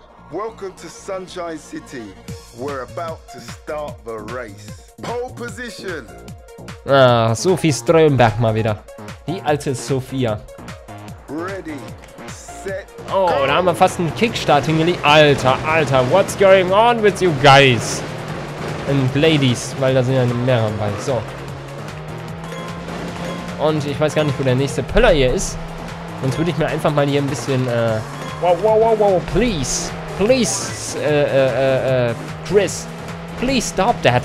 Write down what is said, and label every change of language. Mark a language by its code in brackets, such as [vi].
[en] Welcome to Sunshine City. We're about to start the race. Pole position. [de] Ah, Sophie Strömberg mal wieder. Die alte Sophia. [en] Ready, set, go. [de] Oh, da haben wir fast einen Kickstart hingelegt. Alter, Alter, [en] what's going on with you guys? [de] Und Ladies, weil da sind ja mehrere am Ball. So. Und ich weiß gar nicht, wo der nächste Pöller hier ist. Sonst würde ich mir einfach mal hier ein bisschen, wow, wow, wow, wow, please. [en] Please, Chris. Please stop that.